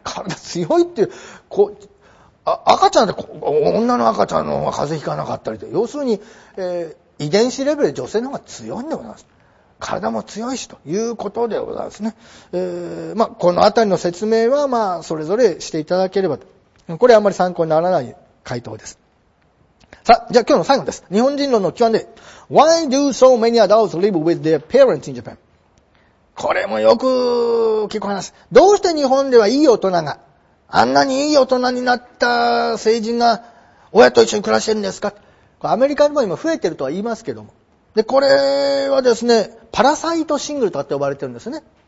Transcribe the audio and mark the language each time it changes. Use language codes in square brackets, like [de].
[ja] 体強いっていう、こう赤ちゃんで女の赤ちゃんの方が風邪ひかなかったりと、要するに、遺伝子レベルで女性の方が強いんでございます。体も強いしということでございますね。まあ、このあたりの説明はまあそれぞれしていただければと。これはあまり参考にならない回答です。さあ、じゃあ今日の最後です。日本人論の基本で、 [en] Why do so many adults live with their parents in Japan? [ja] これもよく聞こえます。どうして日本ではいい大人が、あんなにいい大人になった成人が親と一緒に暮らしてるんですか？アメリカでも今増えてるとは言いますけども。で、これはですね、パラサイトシングルとかって呼ばれてるんですね。